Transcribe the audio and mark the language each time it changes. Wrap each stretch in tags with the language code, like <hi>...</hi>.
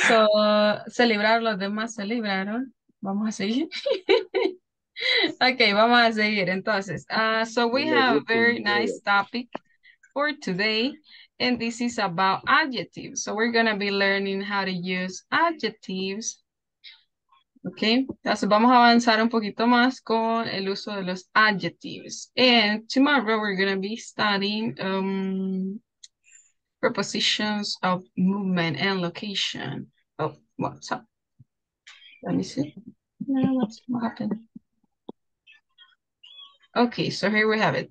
<es>So, celebrar los demás celebraron. Vamos a seguir. Okay, vamos a seguir entonces.</es> <en>So we have a very nice topic for today, and this is about adjectives. So we're going to be learning how to use adjectives.</en> <es>Okay, entonces vamos a avanzar un poquito más con el uso de los adjectives.</es> <en>And tomorrow we're going to be studying prepositions of movement and location. Oh, what's up? Let me see. What happened? Okay, so here we have it.</en>